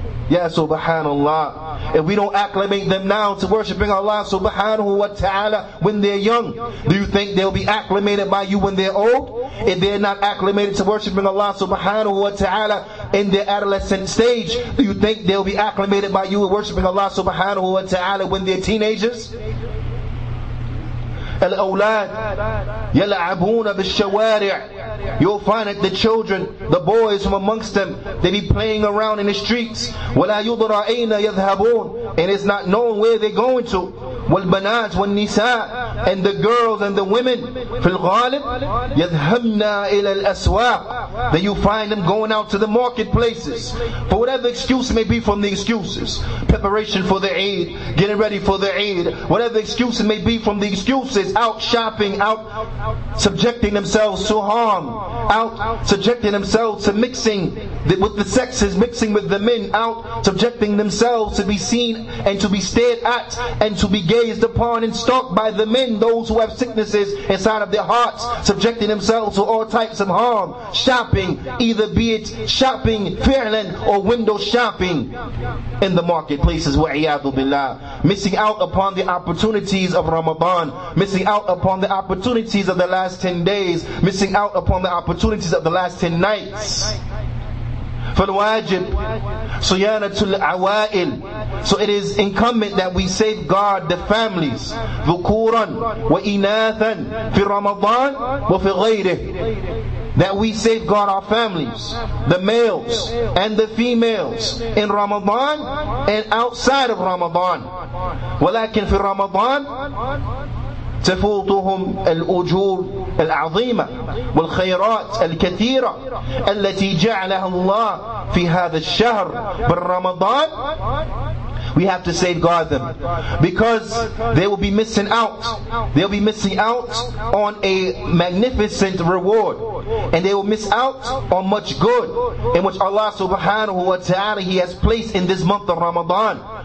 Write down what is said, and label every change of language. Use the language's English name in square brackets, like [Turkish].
[English] Ya subhanallah. If we don't acclimate them now to worshiping Allah subhanahu wa ta'ala when they're young, do you think they'll be acclimated by you when they're old? If they're not acclimated to worshiping Allah subhanahu wa ta'ala in their adolescent stage, do you think they'll be acclimated by you worshiping Allah subhanahu wa ta'ala when they're teenagers? [Arabic] الأولاد يلعبون بالشوارع. [English] You'll find that the children, the boys from amongst them, they be playing around in the streets. [Arabic] ولا يدرى أين يذهبون. [English] And it's not known where they're going to. [Arabic] والبنات والنساء. [English] And the girls and the women. [Arabic] في الغالب يذهبن إلى الأسواق. [English] Then you find them going out to the marketplaces. For whatever excuse may be from the excuses. Preparation for the Eid. Getting ready for the Eid. Whatever excuse may be from the excuses. Out shopping, out subjecting themselves to harm, out subjecting themselves to mixing with the sexes, mixing with the men, out subjecting themselves to be seen and to be stared at and to be gazed upon and stalked by the men, those who have sicknesses inside of their hearts, subjecting themselves to all types of harm, shopping, either be it shopping [Arabic] فعلاً [English] or window shopping in the marketplaces, [Arabic] وَعِيَاذُ بِاللَّهِ. [English] Missing out upon the opportunities of Ramadan, missing out upon the opportunities of the last 10 days, missing out upon the opportunities of the last 10 nights. [Arabic] فالواجب صيانة العوائل. [English] So it is incumbent that we safeguard the families. [Arabic] ذكورا وإناثا في رمضان وفي غيره. [English] That we safeguard our families, the males and the females, in Ramadan and outside of Ramadan. [Arabic] ولكن في رمضان تفوتهم الأجور العظيمة والخيرات الكثيرة التي جعلها الله في هذا الشهر بالرمضان. [English] We have to safeguard them because they will be missing out. They'll be missing out on a magnificent reward, and they will miss out on much good in which Allah subhanahu wa ta'ala He has placed in this month of Ramadan.